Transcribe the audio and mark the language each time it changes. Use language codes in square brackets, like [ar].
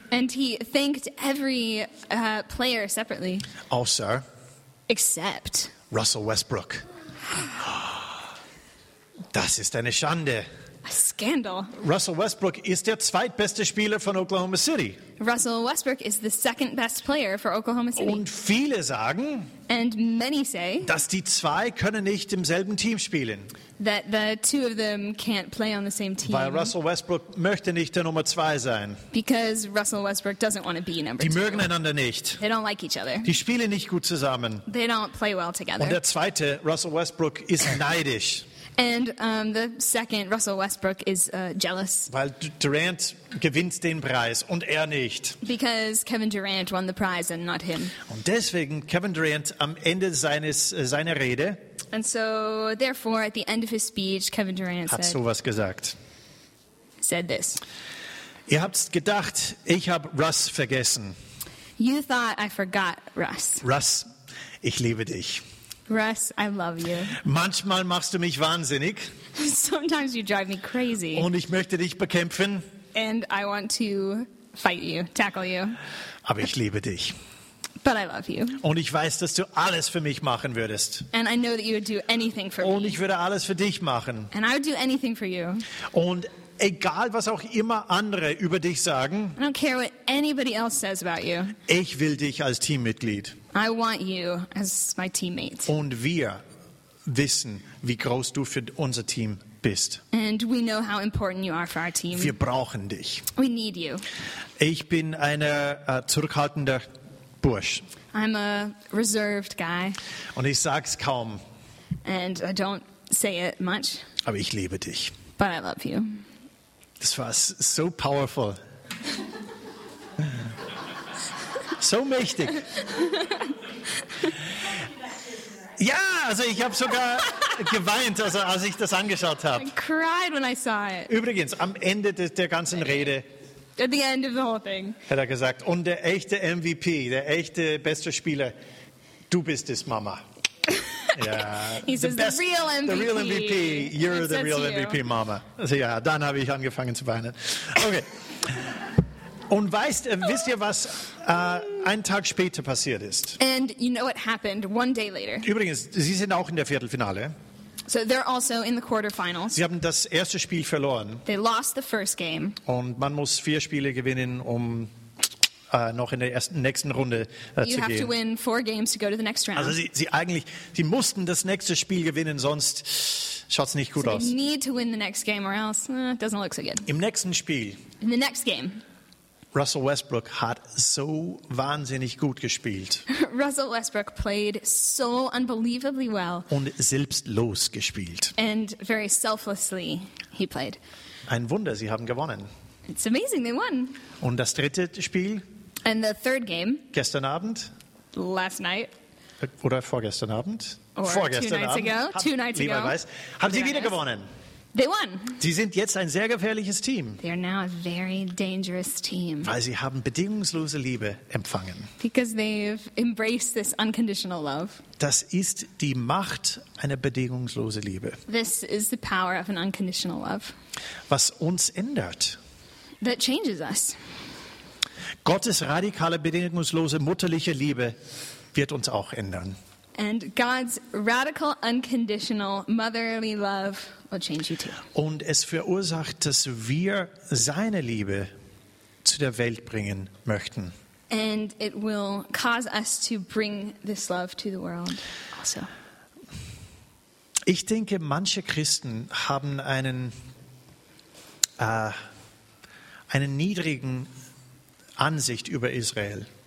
[en] And he thanked every player separately. Also. Except. Russell Westbrook. [de] Das ist eine Schande. [en] A scandal. [de] Russell Westbrook ist der zweitbeste Spieler von Oklahoma City. [en] Russell Westbrook is the second best player for Oklahoma City. [de] Und viele sagen, [en] and many say, [de] dass die zwei können nicht im selben Team spielen. [en] That the two of them can't play on the same team. [de] Weil Russell Westbrook möchte nicht der Nummer zwei sein. [en] Because Russell Westbrook doesn't want to be number [de] two. Die mögen einander nicht. [en] They don't like each other. [de] Die spielen nicht gut zusammen. [en] They don't play well together. [de] Und der zweite, Russell Westbrook, ist neidisch. [en] And the second, Russell Westbrook, is jealous. [de] Weil Durant gewinnt den Preis und er nicht. [en] Because Kevin Durant won the prize and not him. [de] Und deswegen Kevin Durant am Ende seiner Rede. [en] And so, therefore, at the end of his speech, Kevin Durant [de] hat sowas gesagt. [en] Said this. [de] Ihr habt gedacht, ich habe Russ vergessen. [en] You thought I forgot Russ. [de] Russ, ich liebe dich. [en] Russ, I love you. [de] Manchmal machst du mich wahnsinnig. [en] Sometimes you drive me crazy. [de] Und ich möchte dich bekämpfen. [en] And I want to fight you, tackle you. [de] Aber ich liebe dich. [en] But I love you. [de] Und ich weiß, dass du alles für mich machen würdest. [en] And I know that you would do anything for me. [de] Und ich würde alles für dich machen. [en] And I would do anything for you. [de] Und egal, was auch immer andere über dich sagen. [en] I don't care what anybody else says about you. [de] Ich will dich als Teammitglied. [en] I want you as my teammate. [de] Und wir wissen, wie groß du für unser Team bist. [en] And we know how important you are for our team. [de] Wir brauchen dich. [en] We need you. [de] Ich bin ein zurückhaltender Bursch. [en] I'm a reserved guy. [de] Und ich sag's kaum. [en] And I don't say it much. [de] Aber ich liebe dich. [en] But I love you. [de] Das war so powerful. So mächtig. Ja, also ich habe sogar geweint, also als ich das angeschaut habe. [en] I cried when I saw it. [de] Übrigens, am Ende der ganzen Rede [en] at the end of the whole thing. [de] Hat er gesagt, und der echte MVP, der echte beste Spieler, du bist es, Mama. [en] Yeah. He says, the real MVP. The real MVP. You're the real MVP, Mama. [de] So, yeah, dann habe ich angefangen zu weinen. Okay. Und wisst ihr, was einen Tag später passiert ist? [en] And you know what happened one day later. [de] Übrigens, sie sind auch in der Viertelfinale. [en] So they're also in the quarterfinals. [de] Sie haben das erste Spiel verloren. [en] They lost the first game. [de] Und man muss vier Spiele gewinnen, um noch in der nächsten Runde zu gehen. [en] You have to win four games to go to the next round. [de] Also sie mussten das nächste Spiel gewinnen, sonst schaut's nicht gut aus. [en] So they need to win the next game or else it doesn't look so good. [de] Im nächsten Spiel. [en] In the next game. [de] Russell Westbrook hat so wahnsinnig gut gespielt. [en] Russell Westbrook played so unbelievably well. [de] Und selbstlos gespielt. [en] And very selflessly he played. [de] Ein Wunder, sie haben gewonnen. [en] It's amazing they won. [de] Und das dritte Spiel? [en] And the third game? [de] Gestern Abend? [en] Last night? [de] Oder vorgestern Abend? [en] Or [de] vorgestern [en] two nights [de] Abend. [en] Ago? Two nights [de] Lieber [en] ago. [de] Weiß, haben sie wieder gewonnen? [en] They won. [de] Sie sind jetzt ein sehr gefährliches Team. [en] They are now a very dangerous team. [de] Weil sie haben bedingungslose Liebe empfangen. [en] Because they've embraced this unconditional love. [de] Das ist die Macht einer bedingungslosen Liebe. [en] This is the power of an unconditional love. [de] Was uns ändert. [en] That changes us. [de] Gottes radikale bedingungslose mutterliche Liebe wird uns auch ändern. [en] And God's radical unconditional motherly love will change you too. [de] Und es verursacht, dass wir seine Liebe zu der Welt bringen möchten. [en] And it will cause us to bring this love to the world also. [de] Ich denke, manche Christen haben einen niedrigen Ansicht über Israel.